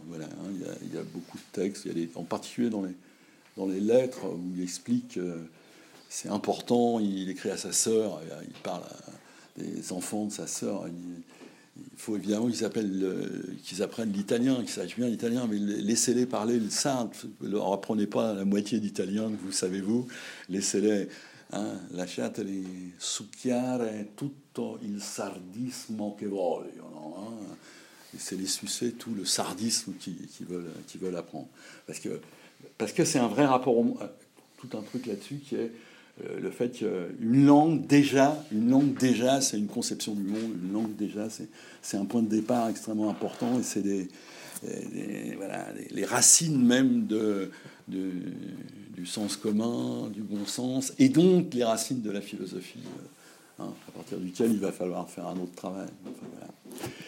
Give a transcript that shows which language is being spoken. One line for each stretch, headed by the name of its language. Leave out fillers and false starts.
French: Voilà, hein, il y a beaucoup de textes, en particulier dans les lettres où il explique c'est important. Il écrit à sa sœur, il parle des enfants de sa sœur. Il faut évidemment qu'ils apprennent l'italien, qu'ils sachent bien l'italien, mais laissez-les parler le sarde. Ne leur apprenez pas la moitié d'italien que vous savez vous. Laissez-les, hein,
Italian: lasciateli succhiare tutto il sardismo che vogliono. Hein.
French: Laissez-les sucer tout le sardisme qu'ils veulent apprendre. Parce que c'est un vrai rapport, tout un truc là-dessus qui est le fait qu'une langue, déjà, c'est une conception du monde, une langue, déjà, c'est un point de départ extrêmement important, et c'est les racines même du sens commun, du bon sens, et donc les racines de la philosophie, hein, à partir duquel il va falloir faire un autre travail. Enfin, voilà.